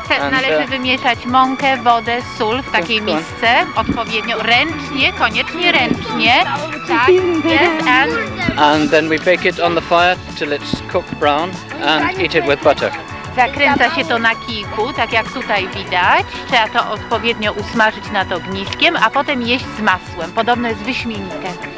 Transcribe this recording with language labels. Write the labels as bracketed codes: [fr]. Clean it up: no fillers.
[pl] Należy wymieszać mąkę, wodę, sól w takiej misce, odpowiednio, ręcznie, koniecznie ręcznie. Tak, yes, [en] and then we bake it on the fire till it's cooked brown and eat it with butter. [pl] Zakręca się to na kijku, tak jak tutaj widać. Trzeba to odpowiednio usmażyć nad ogniskiem, a potem jeść z masłem. Podobno jest wyśmienite.